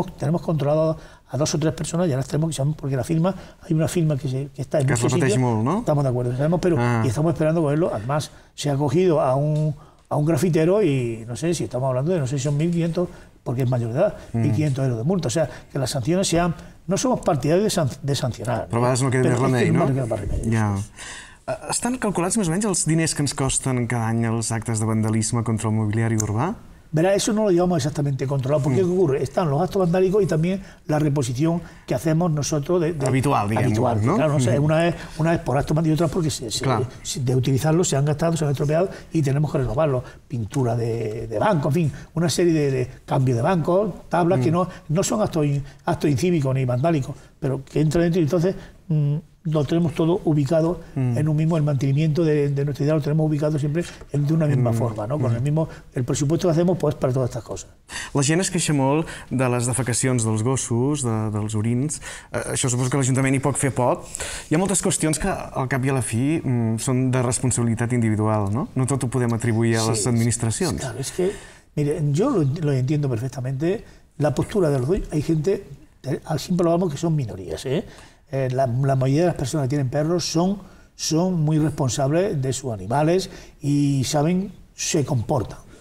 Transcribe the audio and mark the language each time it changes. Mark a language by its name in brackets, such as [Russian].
[Spanish] Tenemos controlado a dos o tres personas y ahora tenemos que saber, porque la firma, hay una firma que está en que muchos sitios, mal, ¿no? Estamos de acuerdo, sabemos, pero y estamos esperando cogerlo. Además, se ha cogido a un grafitero y no sé si estamos hablando de, no sé si son 1.500, porque es mayor de edad, 1.500 euros de multa. O sea, que las sanciones sean, no somos partidarios de sancionar. [Catalan] Però a vegades no queda més remei, ¿no? No queda més remei. Estan calculats més o menys els diners que ens costen cada any els actes de vandalisme contra el mobiliari urbà? [Spanish] Verá, eso no lo llevamos exactamente controlado. ¿Por qué ocurre? Están los actos vandálicos y también la reposición que hacemos nosotros. Habitual, digamos. Habitual, ¿no? Claro, una vez por actos vandálicos y otra porque de utilizarlos se han gastado, se han estropeado y tenemos que renovarlos. Pintura de banco, en fin, una serie de cambios de banco, tablas que no son actos incívicos ni vandálicos, pero que entran dentro y entonces lo tenemos todo ubicado en un mismo, el mantenimiento de nuestra idea lo tenemos ubicado siempre de una misma forma, ¿no? Con el mismo, el presupuesto que hacemos pues para todas estas cosas. [Catalan] La gent es queixa molt de les defecacions dels gossos, dels orins, això suposo que l'Ajuntament hi pot fer poc. Hi ha moltes qüestions que al cap i a la fi són de responsabilitat individual, no? No tot ho podem atribuir a les administracions. [Spanish] Sí, és que, mire, yo lo entiendo perfectamente, la postura de los dueños, hay gente, siempre lo vamos que son minorías, ¿eh? La mayoría de las personas que tienen perros son muy responsables de sus animales y saben, se comportan.